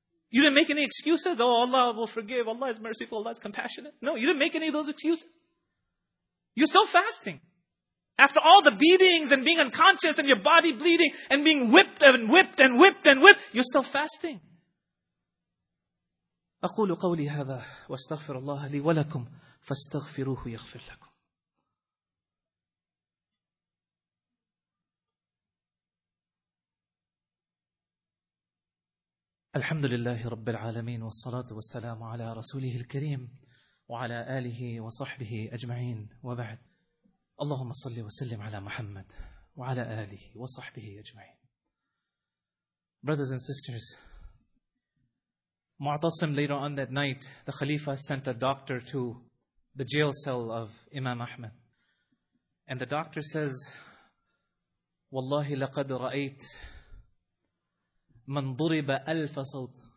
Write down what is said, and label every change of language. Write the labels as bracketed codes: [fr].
[en] You didn't make any excuses? Oh, Allah will forgive. Allah is merciful. Allah is compassionate. No, you didn't make any of those excuses. You're still fasting. After all the beatings and being unconscious and your body bleeding and being whipped and whipped and whipped and whipped, you're still fasting. [ar] أقول قولي هذا واستغفر الله لي ولكم فاستغفروه يغفر لكم. الحمد لله رب العالمين والصلاة والسلام على رسوله الكريم وعلى آله وصحبه أجمعين وبعد اللهم صل وسلم على محمد وعلى آله وصحبه أجمعين. [en] Brothers and sisters, Mu'tasim later on that night, the Khalifa sent a doctor to the jail cell of Imam Ahmad, and the doctor says, [ar] والله لقد رأيت من ضرب ألف صوت.